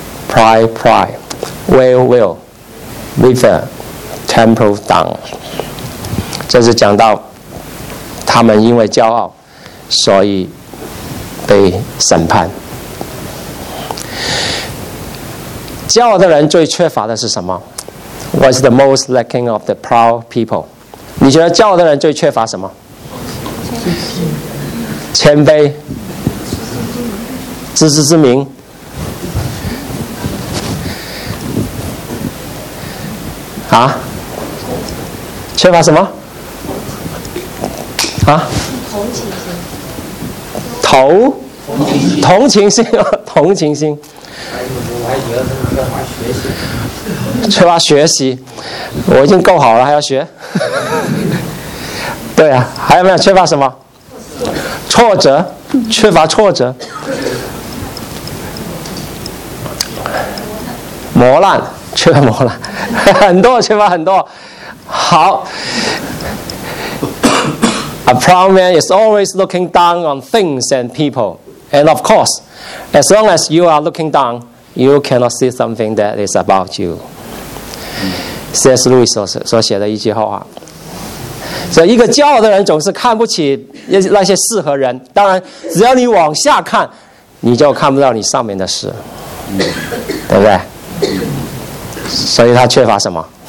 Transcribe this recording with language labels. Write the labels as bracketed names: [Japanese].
[Chinese] Pride, pride, will, will, river, temple down。这是讲到他们因为骄傲所以被审判。骄傲的人最缺乏的是什么？ [English] What's the most lacking of the proud people? [Chinese] 你觉得骄傲的人最缺乏什么？谦卑，自知之明。啊？缺乏什么？啊？头，同情心，同情心。缺乏学习，我已经够好了，还要学？对啊，还有没有缺乏什么？挫折，缺乏挫折，磨难，缺乏磨难，很多，缺乏很多。好。 [English] A proud man is always looking down on things and people. And of course, as long as you are looking down, you cannot see something that is about you. [Chinese] C.S. Lewis 所写的一句话。所以一个骄傲的人总是看不起那些事和人。当然，只要你往下看，你就看不到你上面的事。对不对？所以他缺乏什么？